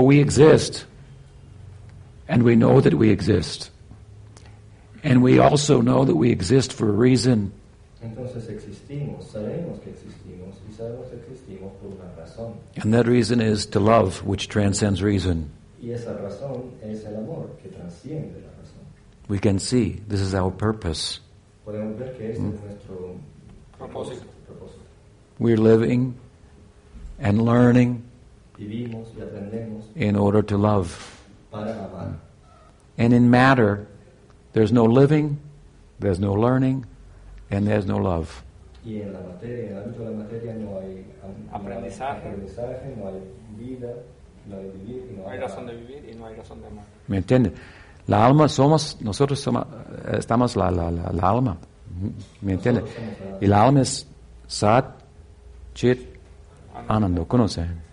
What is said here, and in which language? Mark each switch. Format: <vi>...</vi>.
<en>we exist, and we know that we exist. And we also know that we exist for a reason.</en> <es>Entonces existimos, sabemos que existimos, y sabemos que existimos por una razón.</es> <en>And that reason is to love, which transcends reason.</en> <es>Y esa razón es el amor, que transciende la razón.</es> <en>We can see this is our purpose.</en> <es>Podemos ver que este es nuestro propósito.</es> <en>We're living and learning</en> <es>vivimos y aprendemos</es> <en>in order to love.</en> <es>Para amar.</es> <en>And in matter, there's no living, there's no learning, and there's no love.</en> <es>Y en la materia, en el ámbito de la materia, no hay aprendizaje, no hay vida, no hay vivir, y no hay razón de vivir y no hay razón de amar. ¿Me entiende? La alma somos, nosotros somos, estamos la alma. ¿Me entiende? Y la alma es Sat, Chit, Anando, ¿conoce?</es>